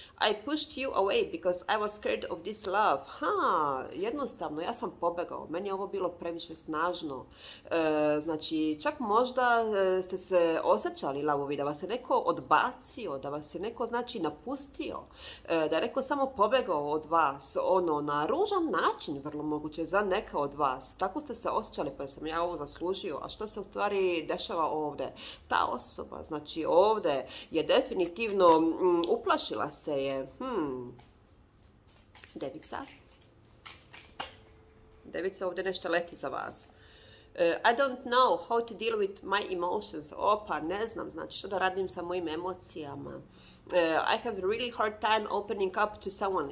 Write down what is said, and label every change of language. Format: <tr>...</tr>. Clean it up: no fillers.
<en>I pushed you away because I was scared of this love.</en> <sr>Ha, jednostavno, ja sam pobegao. Meni je ovo bilo previše snažno. Znači, čak možda ste se osjećali lavovi, da vas je neko odbacio, da vas je neko, znači, napustio, da je neko samo pobegao od vas, ono, na ružan način, vrlo moguće, za neka od vas. Tako ste se osjećali, pa sam ja ovo zaslužio. A što se u stvari dešava ovde? Ta osoba, znači, ovde je definitivno uplašila se je. Devica. Devica, ovde nešto leti za vas.</sr> <en>I don't know how to deal with my emotions.</en> <sr>Opa, ne znam, znači, što da radim sa mojim emocijama.</sr> <en>I have really hard time opening up to someone.</en>